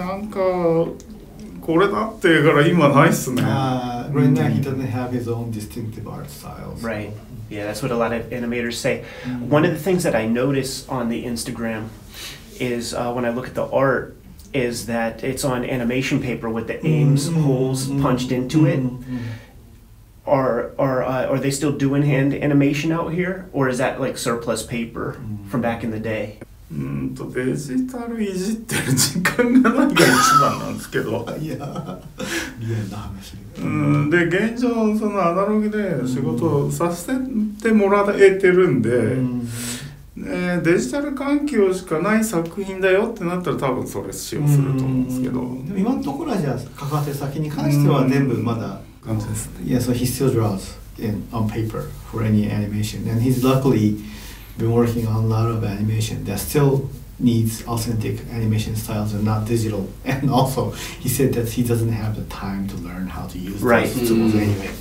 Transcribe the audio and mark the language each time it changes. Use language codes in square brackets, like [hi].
[ja] これだってから今ないっすね。 [en] Right now he doesn't have his own distinctive art style. So. Right. Yeah, that's what a lot of animators say. One of the things that I notice on the Instagram is when I look at the art, is that it's on animation paper with the aims holes punched into it. Are they still doing hand animation out here, or is that like surplus paper from back in the day? [ja] デジタルいじってる時間がないが一番なんですけど。いや、リアルな話。で、現状そのアナログで仕事をさせてもらえてるんで。デジタル環境しかない作品だよってなったら多分それ使用すると思うんですけど、でも今のところはじゃあ関わってる先に関しては全部まだ完成ですね。 [en] Yeah, so he still draws in, on paper for any animation, and he's luckily been working on a lot of animation that still needs authentic animation styles and not digital, and also he said that he doesn't have the time to learn how to use those tools anyway.